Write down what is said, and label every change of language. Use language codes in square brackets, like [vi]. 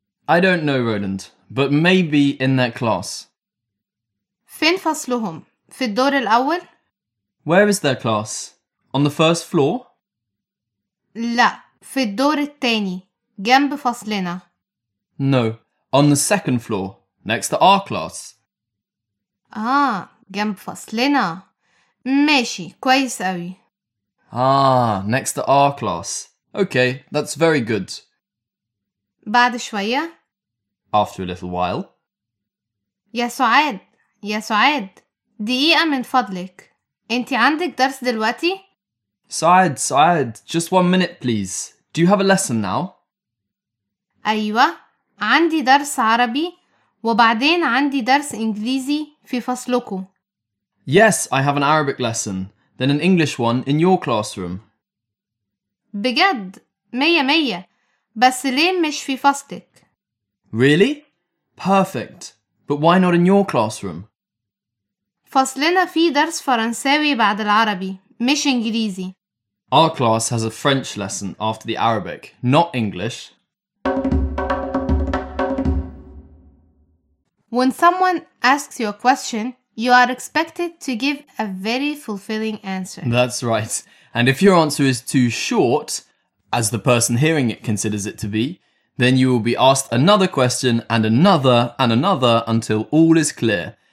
[en] I don't know, Roland, but maybe in their class. [ar] فين فصلهم؟ في الدور الأول؟ [en] Where is their class? On the first floor? [ar] لا، في الدور الثاني، جنب فصلنا. [en] No, on the second floor, next to our class. [ar] جنب فصلنا. ماشي، كويس أوي. [en] Next to our class. Okay, that's very good. [ar] بعد شوية. [en] After a little while. [ar] يا سعاد، دقيقة من فضلك. أنت عندك درس دلوقتي؟ [en] سعاد، just one minute, please. Do you have a lesson now? [ar] أيوة، عندي درس عربي وبعدين عندي درس إنجليزي في فصلكو. [en] Yes, I have an Arabic lesson, then an English one in your classroom. [ar] بجد، مية مية، بس ليه مش في فصلك؟ [en] Really? Perfect. But why not in your classroom? [ar] فصلنا في درس فرنساوي بعد العربي، مش إنجليزي. [en] Our class has a French lesson after the Arabic, not English. When someone asks you a question, you are expected to give a very fulfilling answer. That's right. And if your answer is too short, as the person hearing it considers it to be, then you will be asked another question and another until all is clear.